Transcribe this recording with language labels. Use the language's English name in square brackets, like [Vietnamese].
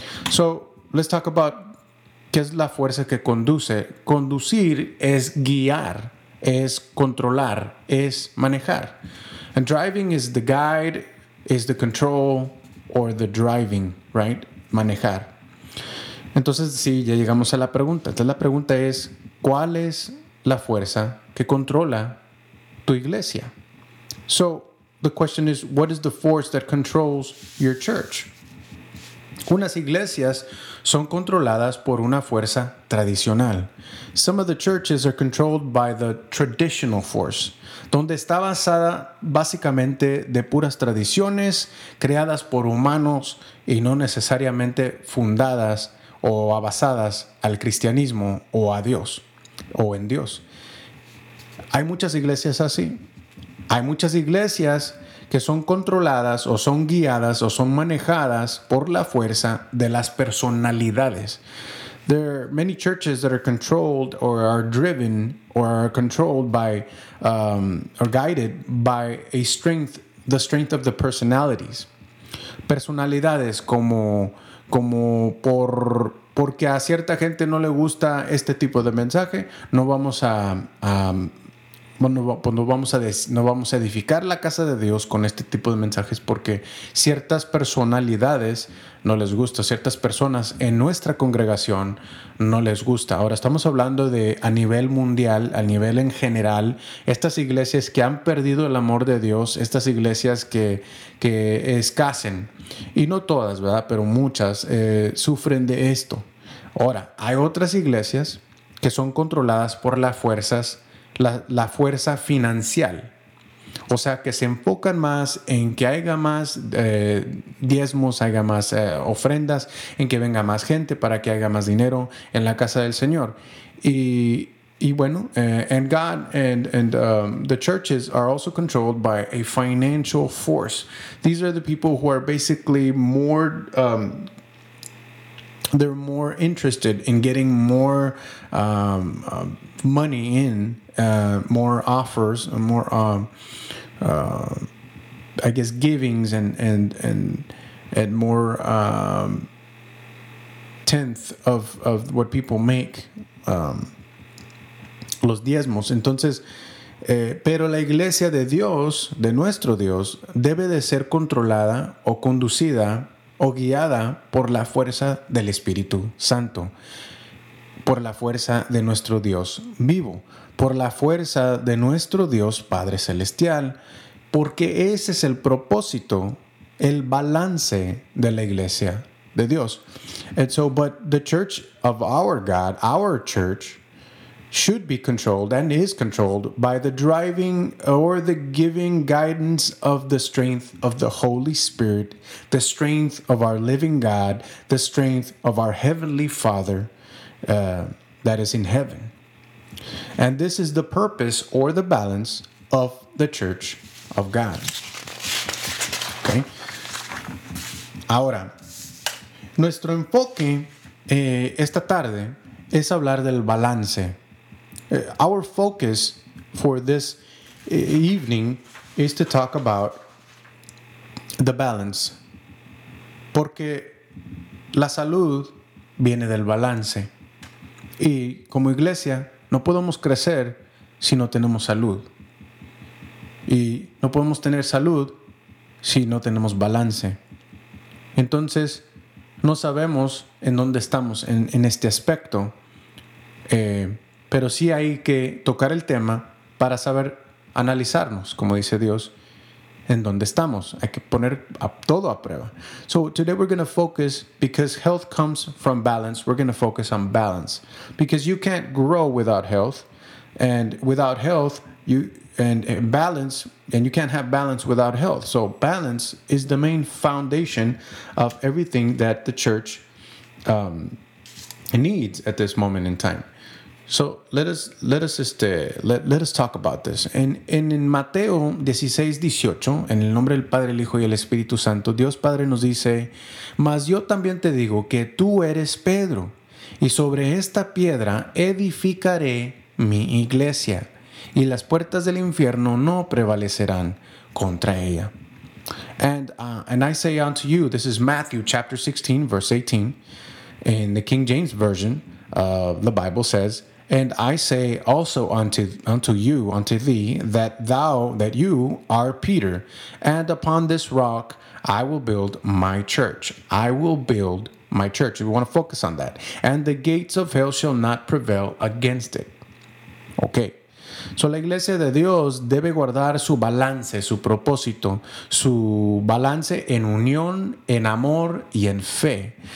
[English] So, let's talk about [Spanish] qué es la fuerza que conduce. Conducir es guiar, es controlar, es manejar. [English] And driving is the guide, is the control, or the driving, right? [Spanish] Manejar. Entonces, sí, ya llegamos a la pregunta. Entonces, la pregunta es, ¿cuál es la fuerza que controla tu iglesia? [English] So, the question is, what is the force that controls your church? [Spanish] Unas iglesias son controladas por una fuerza tradicional. [English] Some of the churches are controlled by the traditional force, [Spanish] donde está basada básicamente de puras tradiciones creadas por humanos y no necesariamente fundadas o basadas al cristianismo o a Dios o en Dios. Hay muchas iglesias así. Hay muchas iglesias que son controladas o son guiadas o son manejadas por la fuerza de las personalidades. [English] There are many churches that are controlled or are driven or are controlled by or guided by a strength, the strength of the personalities. [Spanish] Personalidades como porque a cierta gente no le gusta este tipo de mensaje, no vamos a edificar la casa de Dios con este tipo de mensajes porque ciertas personalidades no les gusta, ciertas personas en nuestra congregación no les gusta. Ahora estamos hablando de a nivel mundial, a nivel en general, estas iglesias que han perdido el amor de Dios, estas iglesias que escasen, y no todas, ¿verdad? Pero muchas sufren de esto. Ahora, hay otras iglesias que son controladas por la fuerza financiera. O sea, que se enfocan más en que haya más diezmos, haya más ofrendas, en que venga más gente para que haya más dinero en la casa del Señor. Y bueno, [English] and God and the churches are also controlled by a financial force. These are the people who are basically more, they're more interested in getting more money in, more offers, more, I guess, givings and more tenth of what people make, [Spanish] los diezmos. Entonces, pero la iglesia de Dios, de nuestro Dios, debe de ser controlada o conducida o guiada por la fuerza del Espíritu Santo, por la fuerza de nuestro Dios vivo, por la fuerza de nuestro Dios Padre Celestial, porque ese es el propósito, el balance de la iglesia de Dios. [English] And so, but the church of our God, our church, should be controlled and is controlled by the driving or the giving guidance of the strength of the Holy Spirit, the strength of our living God, the strength of our Heavenly Father that is in heaven. And this is the purpose or the balance of the Church of God. Okay. [Spanish] Ahora, nuestro enfoque esta tarde es hablar del balance. [English] Our focus for this evening is to talk about the balance. [Spanish] Porque la salud viene del balance. Y como iglesia, no podemos crecer si no tenemos salud. Y no podemos tener salud si no tenemos balance. Entonces, no sabemos en dónde estamos en este aspecto. Pero sí hay que tocar el tema para saber analizarnos, como dice Dios, en dónde estamos. Hay que poner a todo a prueba. [English] So today we're going to focus, because health comes from balance, we're going to focus on balance. Because you can't grow without health, and without health, you and balance, and you can't have balance without health. So balance is the main foundation of everything that the church needs at this moment in time. So let us talk about this. [Spanish] In Mateo 16:18, en el nombre del Padre, el Hijo y el Espíritu Santo, Dios Padre nos dice, mas yo también te digo que tú eres Pedro, y sobre esta piedra edificaré mi iglesia, y las puertas del infierno no prevalecerán contra ella. [English] And I say unto you, this is Matthew chapter 16, verse 18, in the King James Version of the Bible says, and I say also unto thee, that you are Peter, and upon this rock I will build my church. I will build my church. We want to focus on that. And the gates of hell shall not prevail against it. Okay. [Spanish] So la iglesia de Dios debe guardar su balance, su propósito, su balance en unión, en amor y en fe.